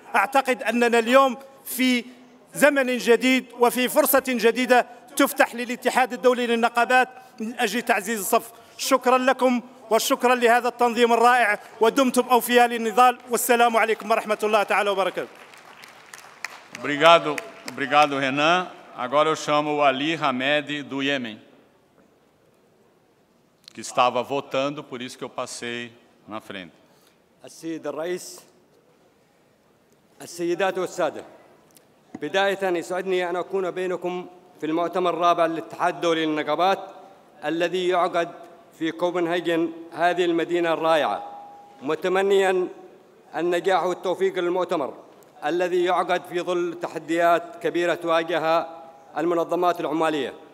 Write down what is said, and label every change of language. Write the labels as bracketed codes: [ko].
[ar] أعتقد أننا اليوم في زمن جديد وفي فرصة جديدة تفتح للاتحاد الدولي للنقابات من أجل تعزيز الصف. شكرا لكم وشكرا لهذا التنظيم الرائع، ودمتم أوفياء للنضال، والسلام عليكم ورحمة الله تعالى وبركاته. [pt] Obrigado, Renan. Agora eu chamo o Ali Hamed do Iêmen, que estava votando, por isso que eu passei na frente. [ar] السيد الرئيس، السيدات والسادة، بداية يسعدني أن أكون بينكم في المؤتمر الرابع للاتحاد الدولي للنقابات الذي يعقد في كوبنهاجن هذه المدينة الرائعة، متمنياً النجاح والتوفيق للمؤتمر الذي يعقد في ظل تحديات كبيرة تواجه المنظمات العمالية.